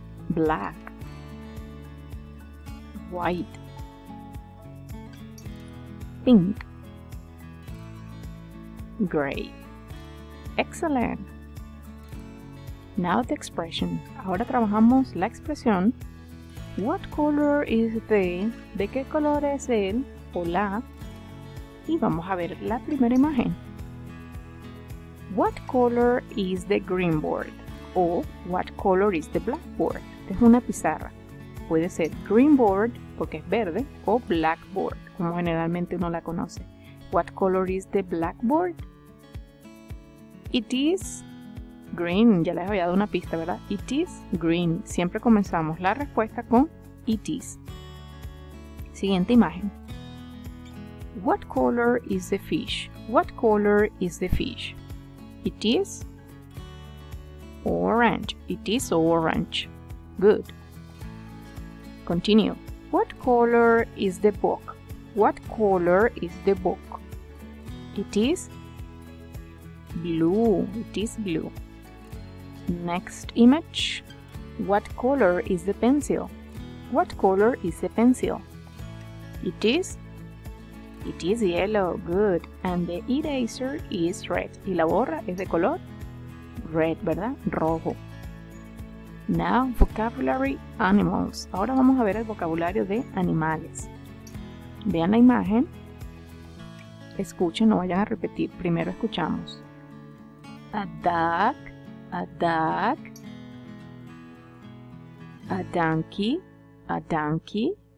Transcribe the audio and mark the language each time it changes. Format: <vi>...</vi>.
<en>Black, white, pink, gray. Excellent. Now the expression.</en> <es>Ahora trabajamos la expresión.</es> <en>What color is the?</en> <es>¿De qué color es el o la? Y vamos a ver la primera imagen.</es> <en>What color is the green board? O what color is the blackboard?</en> <es>Es una pizarra. Puede ser green board, porque es verde, o blackboard, como generalmente uno la conoce.</es> <en>What color is the blackboard? It is green.</en> <es>Ya les había dado una pista, ¿verdad?</es> <en>It is green.</en> <es>Siempre comenzamos la respuesta con</es> <en>it is.</en> <es>Siguiente imagen.</es> <en>What color is the fish? What color is the fish? It is orange. It is orange. Good. Continue. What color is the book? What color is the book? It is blue. It is blue. Next image. What color is the pencil? What color is the pencil? It is yellow. Good. And the eraser is red.</en> <es>Y la borra es de color red, ¿verdad? Rojo.</es> <en>Now, vocabulary animals.</en> <es>Ahora vamos a ver el vocabulario de animales. Vean la imagen. Escuchen, no vayan a repetir. Primero escuchamos.</es> <en>A duck, a duck. A donkey, a donkey.</en>